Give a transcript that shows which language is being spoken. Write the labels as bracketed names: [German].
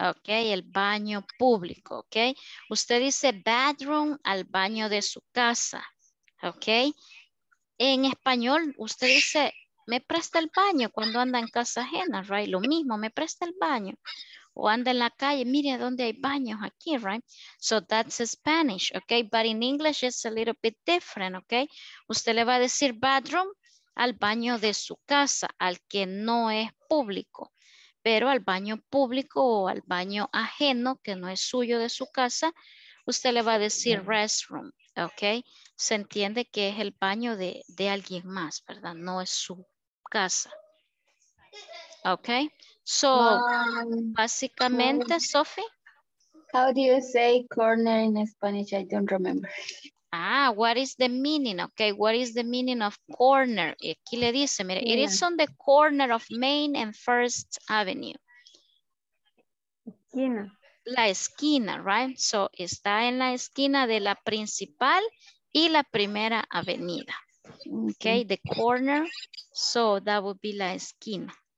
[Spanish] Ok, el baño público, ok. Usted dice bathroom al baño de su casa, ok. En español, usted dice, me presta el baño cuando anda en casa ajena, right? Lo mismo, me presta el baño. O anda en la calle, mire dónde hay baños aquí, right? [English] So that's Spanish, ok. But in English, it's a little bit different, ok. [Spanish] Usted le va a decir bathroom al baño de su casa, al que no es público, pero al baño público o al baño ajeno que no es suyo de su casa, usted le va a decir restroom, ¿ok? Se entiende que es el baño de alguien más, ¿verdad? No es su casa. ¿Ok? So, básicamente, Sophie. [English] How do you say corner in Spanish? I don't remember. Ah, what is the meaning? Okay, what is the meaning of corner? [Spanish] Aquí le dice, mire, yeah. [English] It is on the corner of Main and First Avenue. [Spanish] Esquina. La esquina, right? So, está en la esquina de la principal y la primera avenida. [English] Okay, the corner. So, that would be [Spanish] la esquina.